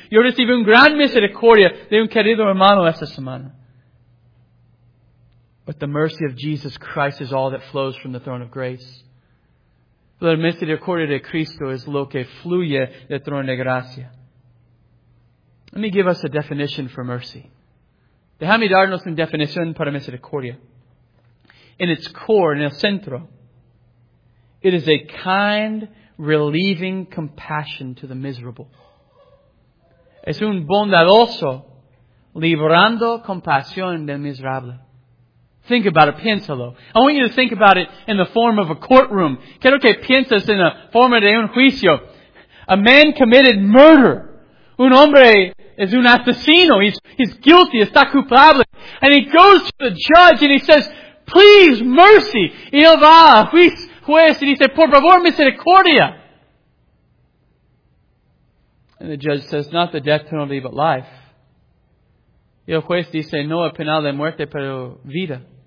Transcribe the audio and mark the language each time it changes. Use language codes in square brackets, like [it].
[es] Yo recibí un gran misericordia de un querido hermano esta semana. [en] But the mercy of Jesus Christ is all that flows from the throne of grace. [es] La misericordia de Cristo es lo que fluye del trono de gracia. [en] Let me give us a definition for mercy. [es] Déjame darnos una definición para misericordia. [en] In its core, in [es] el centro, [en] it is a kind, relieving compassion to the miserable. [es] Es un bondadoso, librando compasión del miserable. [en] Think about it, [es] piénsalo. [en] I want you to think about it in the form of a courtroom. [es] Quiero que pienses en la forma de un juicio. [en] A man committed murder. [es] Un hombre es un asesino. [en] He's guilty, [es] está culpable. [en] And he goes to the judge and he says, please, mercy. [es] Y él va a juez y dice, por favor, misericordia. [en] And the judge says, not the death penalty, but life. [es] Y el juez dice, no a penal de muerte, pero vida.